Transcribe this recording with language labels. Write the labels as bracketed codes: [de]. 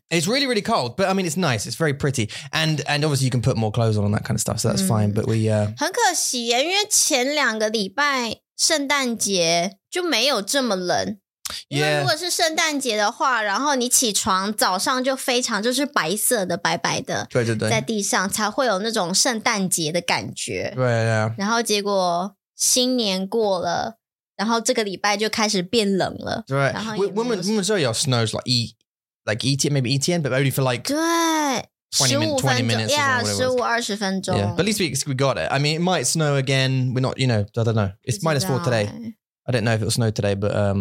[en] It's really, really cold, but I mean, it's nice. It's very pretty. And obviously you can put more clothes on and that kind of stuff. So that's fine. But we, [zh] 很可惜耶，因为前两个礼拜圣诞节就没有这么冷。 [en] Yeah. [zh] 因为如果是圣诞节的话，然后你起床早上就非常就是白色的、白白的，在地上才会有那种圣诞节的感觉。对，然后结果新年过了，然后这个礼拜就开始变冷了。对，我们 [en] so your snows like ETN, maybe ETN, but only for like 20 minutes, 15 minutes. Yeah, but at least we got it. I mean, it might snow again. We're not, you know, I don't know. It's minus four today. I don't know if it'll snow today, but